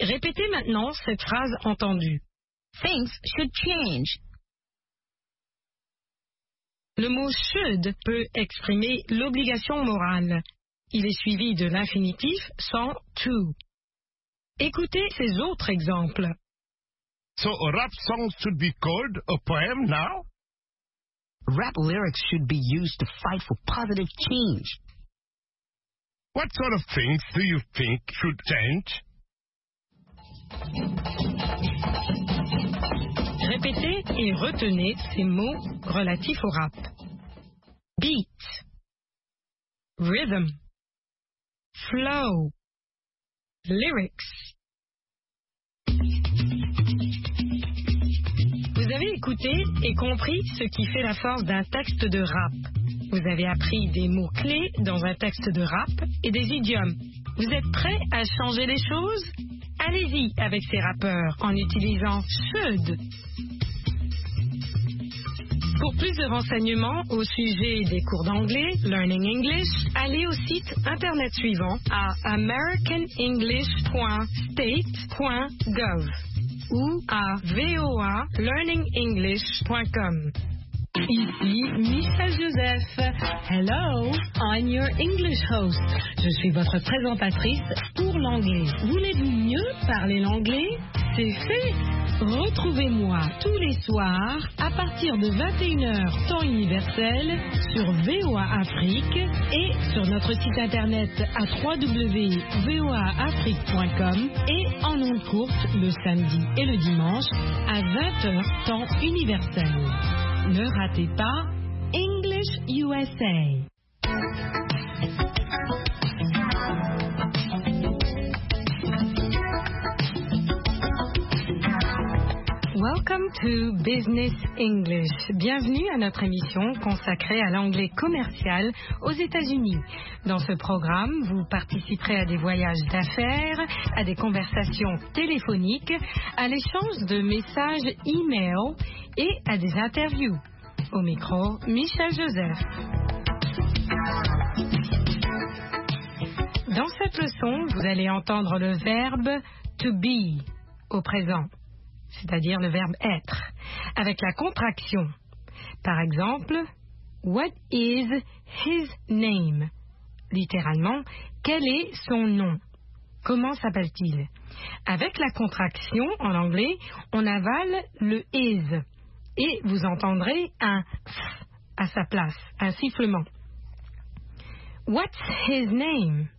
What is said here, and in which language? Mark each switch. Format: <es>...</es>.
<fr>Répétez maintenant cette phrase entendue.</fr> <en>Things should change.</en> <fr>Le mot « should » peut exprimer l'obligation morale. Il est suivi de l'infinitif sans « to ». Écoutez ces autres exemples.</fr> <en>So a rap song should be called a poem now? Rap lyrics should be used to fight for positive change. What sort of things do you think should change?</en> <fr>Répétez et retenez ces mots relatifs au rap.</fr> <en>Beat, rhythm, flow, lyrics.</en> <fr>Vous avez écouté et compris ce qui fait la force d'un texte de rap. Vous avez appris des mots clés dans un texte de rap et des idiomes. Vous êtes prêt à changer les choses? Allez-y avec ces rappeurs en utilisant should. Pour plus de renseignements au sujet des cours d'anglais, Learning English, allez au site internet suivant à americanenglish.state.gov ou à voalearningenglish.com. Ici Michel Joseph.</fr> <en>Hello, I'm your English host.</en> <fr>Je suis votre présentatrice pour l'anglais. Voulez-vous mieux parler l'anglais? C'est fait! Retrouvez-moi tous les soirs à partir de 21h temps universel sur VOA Afrique et sur notre site internet à www.voaafrique.com et en ondes courtes le samedi et le dimanche à 20h temps universel. Ne ratez pas English USA.</fr> <en>Welcome to Business English.</en> <fr>Bienvenue à notre émission consacrée à l'anglais commercial aux États-Unis. Dans ce programme, vous participerez à des voyages d'affaires, à des conversations téléphoniques, à l'échange de messages e-mail et à des interviews. Au micro, Michel Joseph. Dans cette leçon, vous allez entendre le verbe to be au présent, c'est-à-dire le verbe être, avec la contraction. Par exemple,</fr> <en>what is his name?</en> <fr>Littéralement, quel est son nom? Comment s'appelle-t-il? Avec la contraction, en anglais, on avale le is et vous entendrez un f à sa place, un sifflement.</fr> <en>What's his name?</en>